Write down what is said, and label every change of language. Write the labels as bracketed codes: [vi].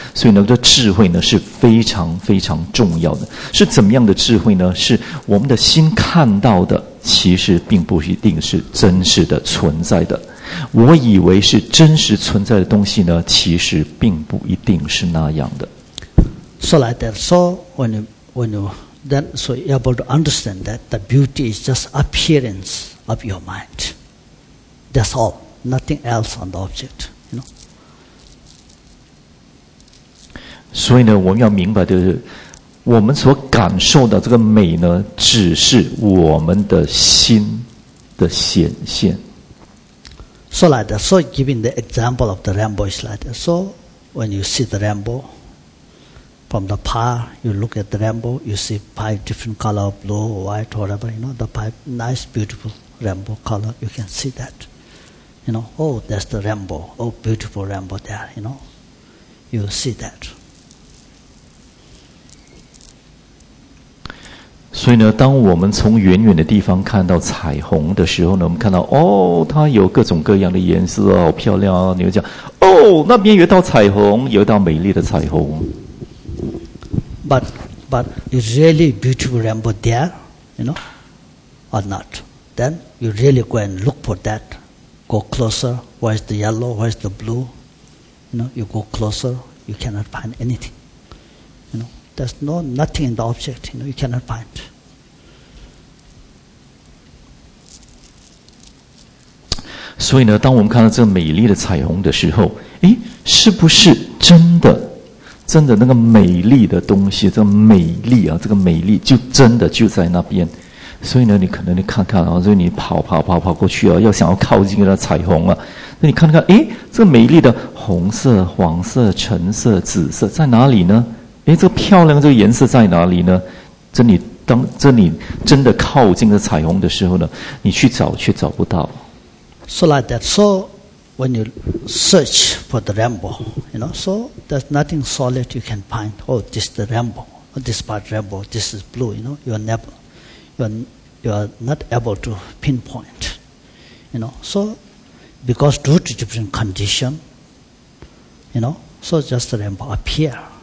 [zh] 所以呢这智慧呢是非常非常重要的。是怎么样的智慧呢？是我们的心看到的其实并不一定是真实的存在的。我以为是真实存在的东西呢，其实并不一定是那样的。 [en] So like that. So when you you're able to understand that the beauty is just appearance of your mind. That's all. Nothing else on the object. You know. [zh] 所以呢，我们要明白的是，我们所感受到这个美呢，只是我们的心的显现。 [en] So like that. So giving the example of the rainbow is like that. So when you see the rainbow from the far, you look at the rainbow, you see 5 different color, blue, white, whatever, you know, the 5 nice, beautiful rainbow color, you can see that. You know, oh, that's the rainbow. Oh, beautiful rainbow there, you know. You see that. [zh] 所以呢，当我们从远远的地方看到彩虹的时候呢，我们看到哦，它有各种各样的颜色，好漂亮啊！你会讲哦，那边有一道彩虹，有一道美丽的彩虹。 [en] But you really beautiful rainbow there, you know, or not? Then you really go and look for that. Go closer. Where's the yellow? Where's the blue? You know, you go closer. You cannot find anything. There's no nothing in the object, you know, you cannot find. [zh] 所以呢，当我们看到这个美丽的彩虹的时候，诶，是不是真的？真的那个美丽的东西，这个美丽啊，这个美丽就真的就在那边。所以呢，你可能你看看，然后就你跑过去啊，要想要靠近那彩虹啊。那你看看，诶，这个美丽的红色、黄色、橙色、紫色在哪里呢？哎，这个漂亮的这个颜色在哪里呢？这你当这里真的靠近了彩虹的时候呢，你去找却找不到。 [en] So like that. So when you search for the rainbow, you know, so there's nothing solid you can find. Oh, this is the rainbow. This part rainbow. This is blue. You know, you are not able to pinpoint. You know, so because due to different condition, you know, so just the rainbow appear.